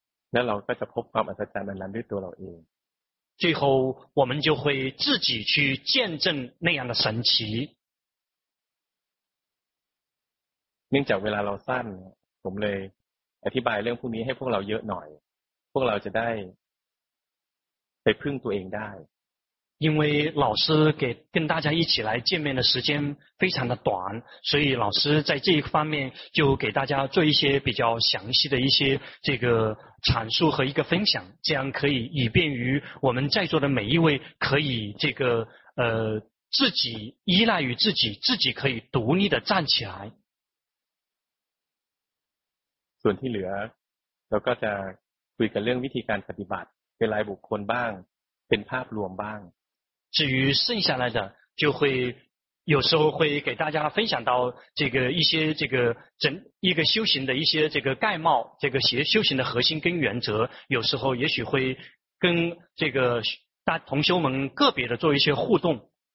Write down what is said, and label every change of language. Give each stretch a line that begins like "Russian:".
Thai: 那เราก็จะพบความอัศจรรย์นั้นด้วยตัวเราเอง
Chinese: 最后我们就会自己去见证那样的神奇
Thai: เนื่องจากเวลาเราสั้นผมเลยอธิบายเรื่องพวกนี้ให้พวกเราเยอะหน่อยพวกเราจะได้ไปพึ่งตัวเองได้
Chinese: 因为老师给跟大家一起来见面的时间非常的短，所以老师在这一方面就给大家做一些比较详细的一些这个阐述和一个分享，这样可以以便于我们在座的每一位可以这个自己依赖于自己可以独立的站起来。
Thai: ส่วนที่เหลือเราก็จะคุยกันเรื่องวิธีการปฏิบัติเป็นรายบุคคลบ้างเป็นภาพรวมบ้าง
Chinese: 至于剩下来的就会有时候会给大家分享到这个一些这个整一个修行的一些这个概貌这个修行的核心跟原则有时候也许会跟这个大同修们个别的做一些互动